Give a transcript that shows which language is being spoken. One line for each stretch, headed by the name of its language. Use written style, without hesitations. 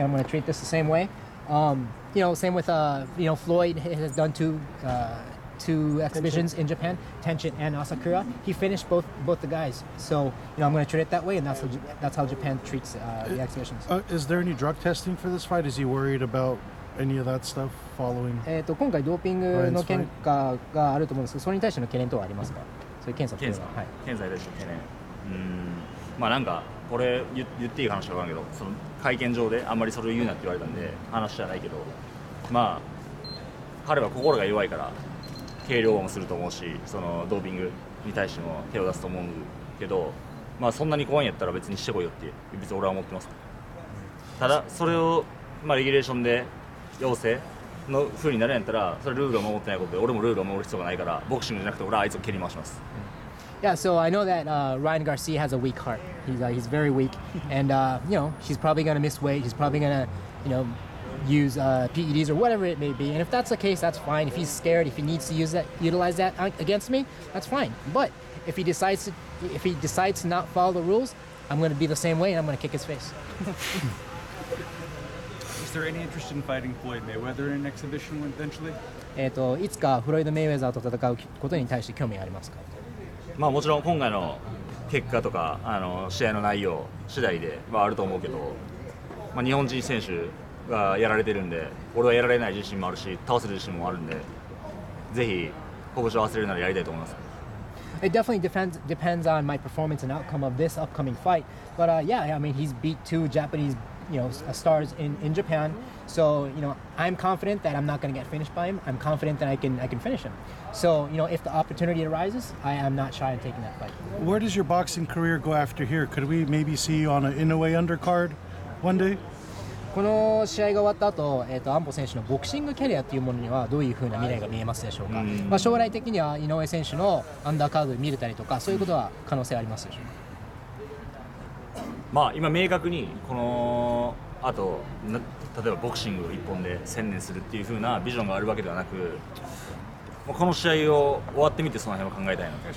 English: I'm going to treat this the same way. You know, same with you know, Floyd has done two exhibitions in Japan, Tenshin and Asakura. He finished both the guys. So, you know, I'm going to treat it that way, and that's how Japan treats the exhibitions. Is there any drug testing for this fight? Is he worried about any of that stuff following?
Japanese: 今回ドーピングの検査があると思うんですけど、それに対しての懸念等はありますか？そういう検査。検査に対しての懸念。まあなんかこれ言っていい話か分かんないけど、その会見上であんまりそれを言うなって言われたんで話じゃないけど、まあ彼は心が弱いから軽量もすると思うし、そのドーピングに対しても手を出すと思うけど、まあそんなに怖いんやったら別にしてこいよって別に俺は思ってます。ただそれをまあレギュレーションで陽性の風になるんやったら、それルールを守ってないことで、俺もルールを守る必要がないから、ボクシングじゃなくて俺はあいつを蹴り回します。
English: Yeah, so I know that Ryan Garcia has a weak heart. He's very weak, and you know, he's probably gonna miss weight. He's probably gonna, you know, use PEDs or whatever it may be. And if that's the case, that's fine. If he's scared, if he needs to utilize that against me, that's fine. But if he decides to, not follow the rules, I'm gonna be the same way, and I'm gonna kick his face. Is there any interest in fighting Floyd Mayweather in an exhibition eventually?
Japanese: いつかフロイド・メイウェザーと戦うことに対して興味ありますか？まあ、もちろん今回の結果とかあの試合の内容次第ではあると思うけど、まあ、日本人選手がやられてるんで俺はやられない自信もあるし倒せる自信もあるんで、ぜひ拳を合わせるならやりたいと思います。
English: It definitely depends on my performance and outcome of this upcoming fight, but yeah, I mean, he's beat two Japanese, you know, stars in Japan, so, you know, I'm confident that I'm not going to get finished by him. I'm confident that I can finish him. So, you know, if the opportunity arises, I am not shy in taking that fight. Where does your boxing career go after here? Could we maybe see you on an Inoue undercard one day?
Japanese: この試合が終わった後、安保選手のボクシングキャリアというものにはどういうふうな未来が見えますでしょうか？まあ、将来的には井上選手のアンダーカードを見れたりとか、そういうことは可能性ありますでしょうか？まあ、今明確にこのあと例えばボクシングを一本で専念するっていう風なビジョンがあるわけではなく、この試合を終わってみてその辺を考えたいな。